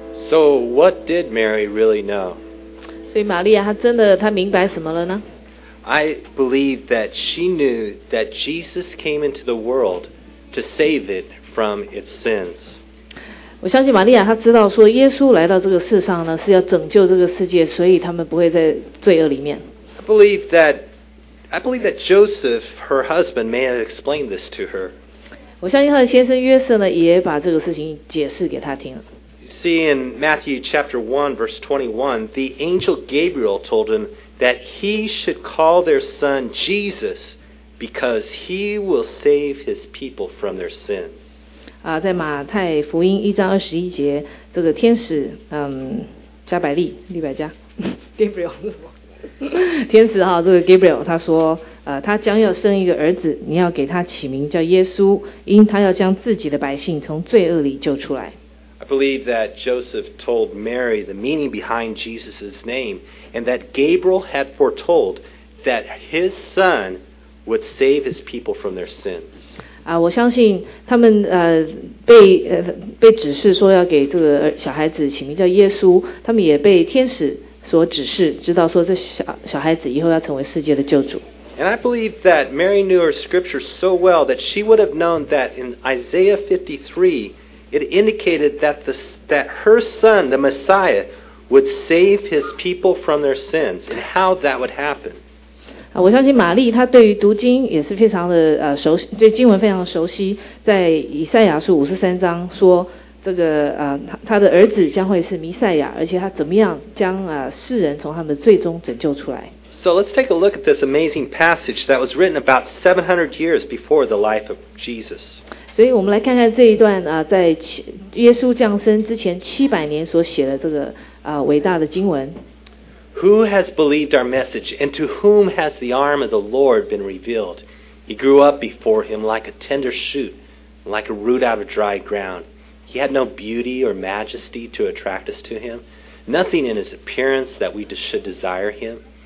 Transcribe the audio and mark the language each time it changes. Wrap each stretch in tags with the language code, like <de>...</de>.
<en>So what did Mary really know?</en> <zh>所以玛利亚她真的她明白什么了呢?</zh> <en>I believe that she knew that Jesus came into the world to save it from its sins.</en> <zh>我相信玛利亚她知道说耶稣来到这个世上呢是要拯救这个世界，所以他们不会在罪恶里面。</zh> <en>I believe that Joseph, her husband, may have explained this to her.</en> <zh>我相信她的先生约瑟呢也把这个事情解释给她听了。</zh> <en>See in Matthew chapter 1 verse 21, the angel Gabriel told him that he should call their son Jesus because he will save his people from their sins.</en> <zh>在马太福音一章二十一节，这个天使加百利利百加Gabriel 天使这个 Gabriel 他说他将要生一个儿子，你要给他起名叫耶稣，因他要将自己的百姓从罪恶里救出来。</zh> <en>I believe that Joseph told Mary the meaning behind Jesus' name and that Gabriel had foretold that his son would save his people from their sins.</en> <zh>我相信他们被指示说要给这个小孩子起名叫耶稣，他们也被天使所指示，知道说这小孩子以后要成为世界的救主。</zh> <en>And I believe that Mary knew her scripture so well that she would have known that in Isaiah 53, it indicated that her son, the Messiah, would save his people from their sins, and how that would happen.</en> <zh>我相信玛丽她对于读经也是非常的熟悉，对经文非常熟悉。在以赛亚书五十三章说，这个他的儿子将会是弥赛亚，而且他怎么样将世人从他们最终拯救出来。</zh> <en>So let's take a look at this amazing passage that was written about 700 years before the life of Jesus.</en> <zh>所以我们来看看这一段在耶稣降生之前700年所写的这个伟大的经文。</zh> <en>Who has believed our message, and to whom has the arm of the Lord been revealed? He grew up before him like a tender shoot, like a root out of dry ground. He had no beauty or majesty to attract us to him, nothing in his appearance that we should desire him.</en>